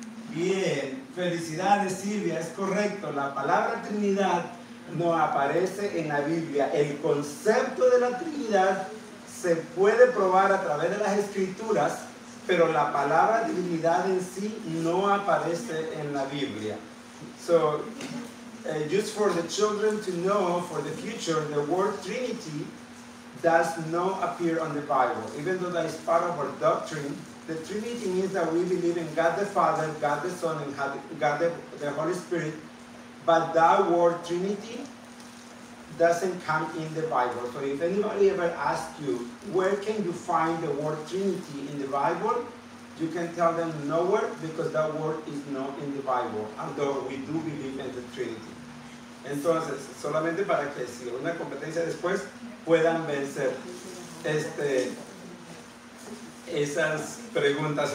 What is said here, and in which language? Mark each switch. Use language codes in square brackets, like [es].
[es] Bien, felicidades, Silvia, es correcto. La palabra Trinidad no aparece en la Biblia. El concepto de la Trinidad se puede probar a través de las Escrituras, pero la palabra Trinidad en sí no aparece en la Biblia. [en] So, just for the children to know for the future, the word Trinity does not appear on the Bible. Even though that is part of our doctrine, the Trinity means that we believe in God the Father, God the Son, and God the Holy Spirit. But that word Trinity doesn't come in the Bible. So if anybody ever asks you, where can you find the word Trinity in the Bible? You can tell them nowhere, because that word is not in the Bible, although we do believe in the Trinity. [es] Entonces, solamente para que si una competencia después puedan vencer esas preguntas.